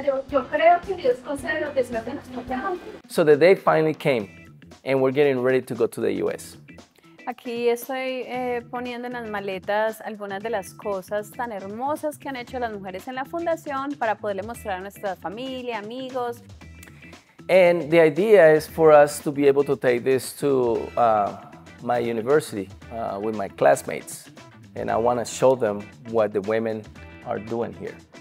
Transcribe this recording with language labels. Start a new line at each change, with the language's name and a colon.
Spanish: Yo creo que Dios concede lo que se va a tener.
English: So the day finally came, and we're getting ready to go to the U.S.
Spanish: Aquí estoy poniendo en las maletas algunas de las cosas tan hermosas que han hecho las mujeres en la fundación para poderle mostrar a nuestra familia, amigos.
English: And the idea is for us to be able to take this to my university with my classmates. And I want to show them what the women are doing here.